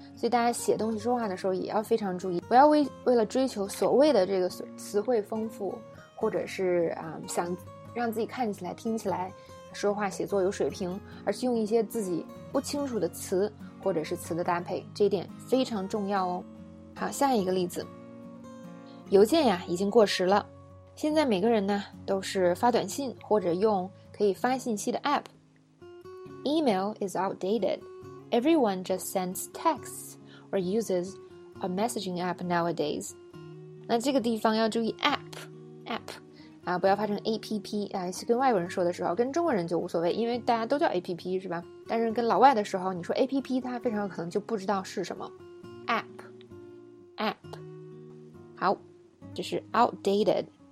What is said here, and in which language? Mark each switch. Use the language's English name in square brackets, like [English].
[Chinese] 所以大家写东西说话的时候也要非常注意，不要为了追求所谓的这个词汇丰富，或者是想让自己看起来听起来说话写作有水平，而是用一些自己不清楚的词或者是词的搭配，这一点非常重要哦。好，下一个例子。邮件呀已经过时了，现在每个人呢都是发短信或者用可以发信息的 app。 [English] Email is outdated. Everyone just sends texts or uses a messaging app nowadays. [Chinese] 那这个地方要注意 app不要发成 APP 啊，跟外国人说的时候，跟中国人就无所谓，因为大家都叫 APP 是吧？但是跟老外的时候，你说 APP， 他非常可能就不知道是什么 ，app。好，这是 outdated，